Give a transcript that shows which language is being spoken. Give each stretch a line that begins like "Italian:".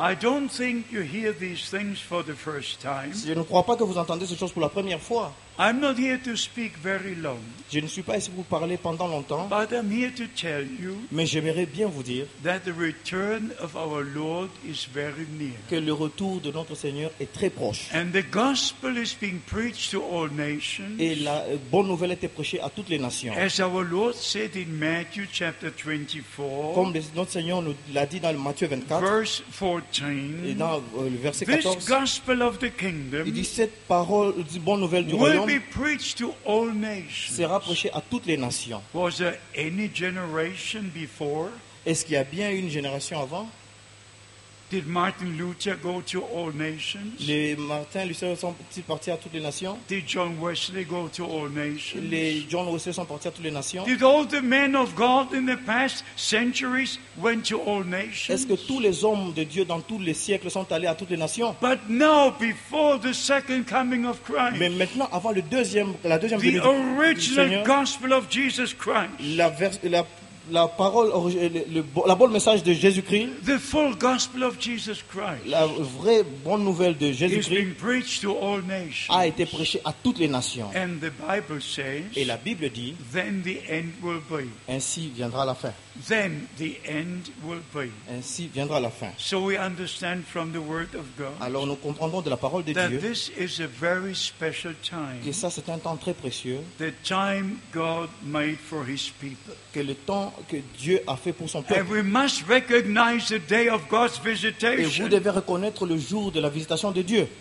English: I don't think you hear these things for the first time.
French: Je ne crois pas que vous entendez ces choses pour la première fois.
English: I'm not here to speak very long.
French: Je ne suis pas ici pour vous parler pendant longtemps.
English: But I'm here to tell you.
French: Mais j'aimerais bien vous dire.
English: That the return of our Lord is very near.
French: Que le retour de notre Seigneur est très proche.
English: And the gospel is being preached to all nations.
French: Et la bonne nouvelle était prêchée à toutes les nations.
English: As our Lord said in Matthew chapter 24.
French: Comme notre Seigneur nous l'a dit dans Matthieu 24.
English: Verse 14.
French: Et dans le verset 14.
English: This gospel of the kingdom.
French: Il dit cette parole, cette bonne nouvelle du royaume.
English: Be preached to all nations.
French: Sera prêché à toutes les nations.
English: Was there any generation before?
French: Est-ce qu'il y a bien une génération avant?
English: Did Martin Luther go to all nations?
French: Les Martin Luther sont-ils partis à toutes les nations?
English: Did John Wesley go to all nations?
French: Les John Wesley sont partis à toutes les nations?
English: Did all the men of God in the past centuries went to all nations?
French: Est-ce que tous les hommes de Dieu dans tous les siècles sont allés à toutes les nations?
English: But now, before the second coming of Christ.
French: Mais maintenant, avant le deuxième, la deuxième venue du Seigneur.
English: The original gospel of Jesus Christ.
French: La parole, la bonne message de Jésus-Christ,
English: the full gospel of Jesus Christ,
French: la vraie bonne nouvelle de Jésus-Christ,
English: is being preached to all nations,
French: a été prêchée à toutes les nations.
English: And the Bible says,
French: et la Bible dit,
English: then the end will be.
French: Ainsi viendra la fin.
English: Then the end will be.
French: Ainsi viendra la fin.
English: So we understand from the word of God,
French: alors nous comprendons de la parole de
English: that
French: Dieu
English: this is a very special time,
French: que ça c'est un temps très précieux,
English: the time God made for his people.
French: Que le temps que Dieu a fait pour son peuple.
English: And we must recognize the day of God's visitation.
French: Et vous devez reconnaître le jour de la visitation de Dieu.